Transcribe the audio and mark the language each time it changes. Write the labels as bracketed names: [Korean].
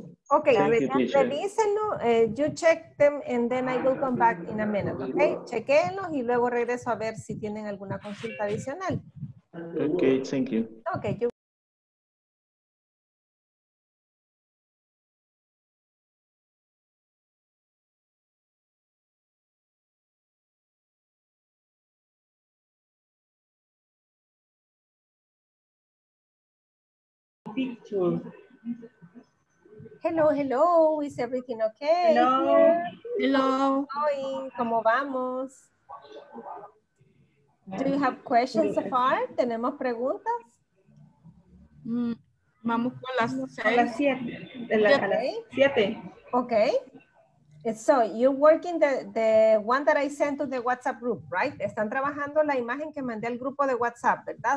[English] Okay, [Spanish] revísenlo, [English] you check them and then I will come back in a minute, okay? [Spanish] Chequenlos y luego regreso a ver si tienen alguna consulta adicional. [English] Okay, thank you. Okay, you Hello, hello, is everything okay? Hello, hello. [Spanish] ¿Cómo vamos? [English] Do you have questions so far? [Spanish] ¿Tenemos preguntas? Vamos con las 6. Con las 7. Okay. [English] So, you're working the one that I sent to the WhatsApp group, right? [Spanish] Están trabajando la imagen que mandé al grupo de WhatsApp, ¿verdad?